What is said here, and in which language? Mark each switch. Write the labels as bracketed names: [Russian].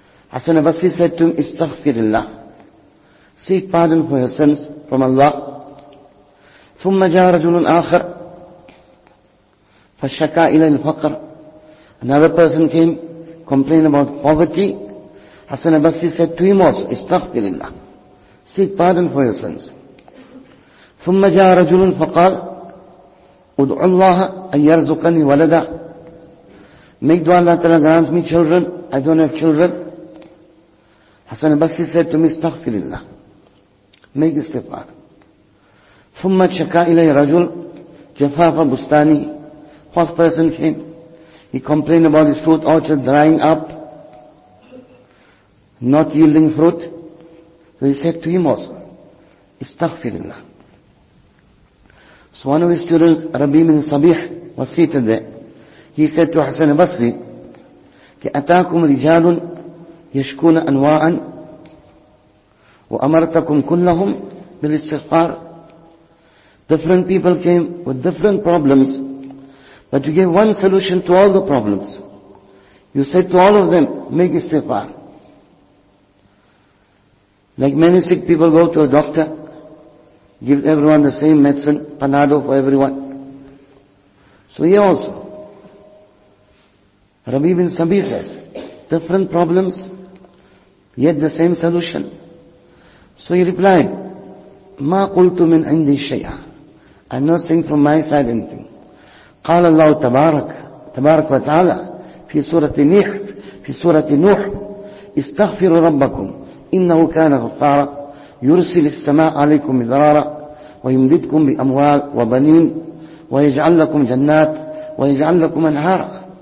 [English] Hasan al-Basri said to him, istaghfirullah. Seek pardon for your sins from Allah. [Arabic] Thumma jaa rajulun akhar. Fashaka ila al-faqr. [English] Another person came, complained about poverty. Hasan al-Basri said to him also, istaghfirullah. Seek pardon for your sins. [Arabic] ثم جاء رجل فقال ادع الله ان يرزقني ولدا. [English] Make dua, Allah Ta'ala grants me children. I don't have children. Hasan al-Basri said to me, Astaghfirullah. Make istighfar. Thumma chaka ilay rajul jafafa bustani. Fourth person came. He complained about his fruit orchard drying up, not yielding fruit. So he said to him also, Astaghfirullah. So one of his students, Rabi bin Sabih, was seated there. He said to Hasan al-Basri, [Arabic] كَأَتَاكُمْ رِجَالٌ يَشْكُونَ أَنْوَاعًا وَأَمَرْتَكُمْ كُلَّهُمْ بِالْإِسْتِغْفَارِ. [English] Different people came with different problems, but you gave one solution to all the problems. You said to all of them, make istighfar. Like many sick people go to a doctor, give everyone the same medicine, panado for everyone. So he also, Rabi bin Sabih says, different problems, yet the same solution. So he replied, [Arabic] مَا قُلْتُ مِنْ عِنْدِي شَيْعًا. [English] I'm not saying from my side anything. [Arabic] قَالَ اللَّهُ تَبَارَكُ وَتَعَالَى فِي سُورَةِ نُوح استغفروا ربكم إنه كان غفارا يرسل السماء عليكم مدرارا ويمددكم بأموال وبنين ويجعل لكم جنات ويجعل لكم أنهارا.